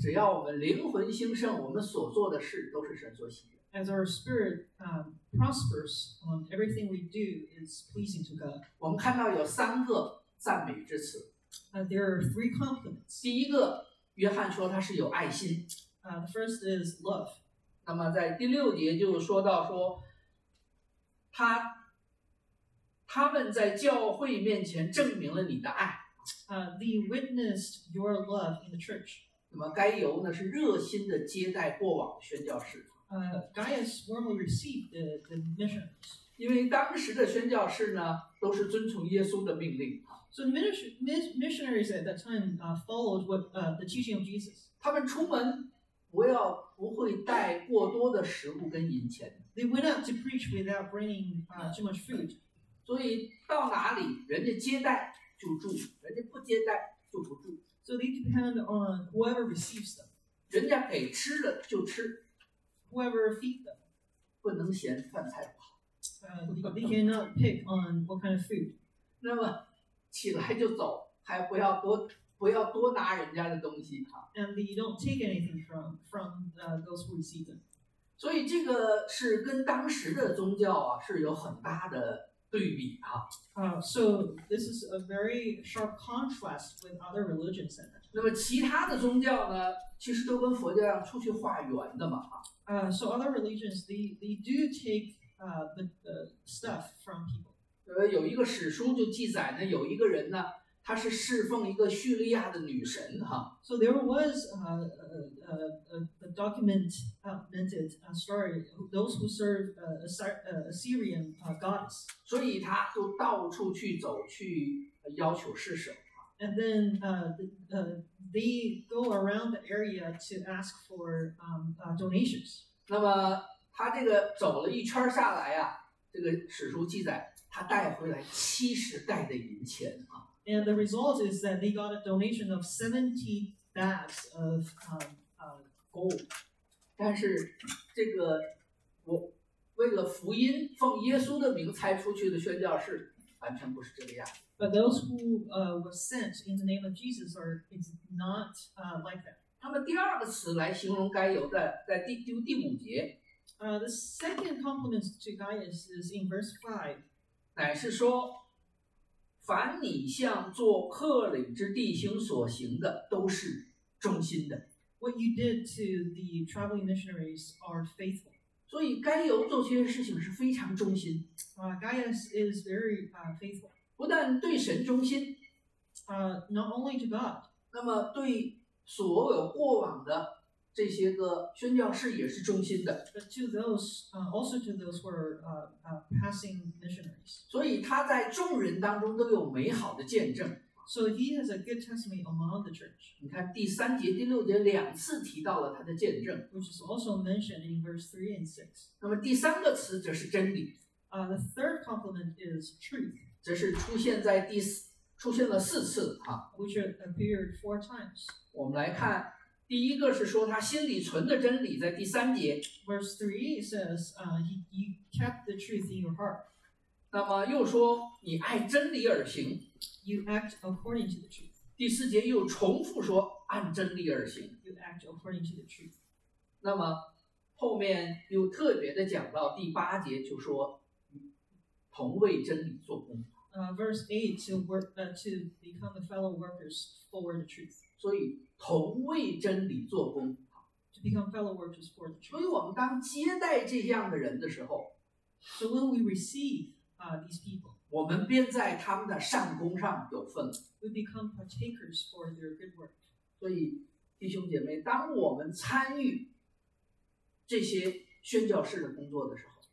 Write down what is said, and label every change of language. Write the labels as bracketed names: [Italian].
[Chinese] 只要我们灵魂兴盛，我们所做的事都是神所喜悦。 [English] As our spirit prospers, on everything we do is pleasing to God. [Chinese] 我们看到有三个赞美之词。 [English] There are three compliments. [Chinese] 第一个，约翰说他是有爱心。 [English] The first is love. [Chinese] 那么在第六节就说到说，他们在教会面前证明了你的爱。 [English] they witnessed your love in the church. [Chinese] 那么该由呢是热心的接待过往的宣教士。 [English] Gaius warmly received the missions. [Chinese] 因为当时的宣教士呢都是遵从耶稣的命令。 [English] So missionaries at that time followed what the teaching of Jesus. [Chinese] 他们出门不会带过多的食物跟银钱。 [English] They went out to preach without bringing too much food. [Chinese] 所以到哪里人家接待就住，人家不接待就不住。 [English] So they depend on whoever receives them. [Chinese] 人家给吃的就吃。 [English] Whoever feeds them. [Chinese] 不能嫌饭菜不好。 [English] They cannot pick on what kind of food. [Chinese] 那么起来就走，还不要多拿人家的东西哈。 [English] And they don't take anything from those who receive them. [Chinese] 所以这个是跟当时的宗教啊是有很大的对比啊。 [English] So this is a very sharp contrast with other religions. [Chinese] 那么其他的宗教呢，其实都跟佛教一样出去化缘的嘛哈。 [English] So other religions they do take the stuff from people. [Chinese] 有一个史书就记载呢，有一个人呢，他是侍奉一个叙利亚的女神哈。 [English] So there was a documented story those who served a Syrian goddess. [Chinese] 所以他就到处去走去要求施舍。 [English] And then they go around the area to ask for donations. [Chinese] 那么他这个走了一圈下来啊，这个史书记载。他带回来七十袋的银钱啊。 [English] And the result is that they got a donation of 70 bags of gold. [Chinese] 但是这个我为了福音奉耶稣的名才出去的宣教士完全不是这个样。 [English] But those who were sent in the name of Jesus is not like that. [Chinese] 那么第二个词来形容该由的在第五节。 [English] The second compliment to Gaius is in verse 5. [Chinese] 乃是说，凡你向做客旅之弟兄所行的，都是忠心的。 [English] What you did to the traveling missionaries are faithful. [Chinese] 所以该由做这些事情是非常忠心。 [English] Gaius is very faithful. [Chinese] 不但对神忠心。 [English] Not only to God. [Chinese] 那么对所有过往的这些个宣教士也是忠心的。 [English] But to those, also to those who are passing missionaries. [Chinese] 所以他在众人当中都有美好的见证。 [English] So he has a good testimony among the church. [Chinese] 你看第三节、第六节两次提到了他的见证。 [English] Which is also mentioned in verse 3 and 6. [Chinese] 那么第三个词则是真理。 [English] The third compliment is truth. [Chinese] 则是出现在出现了四次啊。 [English] Which appeared four times. [Chinese] 我们来看。第一个是说他心里存的真理，在第三节。 [English] Verse 3 says, you kept the truth in your heart. [Chinese] 那么又说你爱真理而行。 [English] You act according to the truth. [Chinese] 第四节又重复说按真理而行。 [English] You act according to the truth. [Chinese] 那么后面又特别的讲到第八节，就说同为真理做工。 [English] Verse 8 to become the fellow workers for the truth. [Chinese] 所以同为真理做工 [English] to become fellow workers for the truth. [Chinese] 所以我们当接待这样的人的时候 [English] So when we receive these people [Chinese] 我们便在他们的善工上有份 [English] We become partakers for their good work. [Chinese] 所以弟兄姐妹当我们参与这些宣教士的工作的时候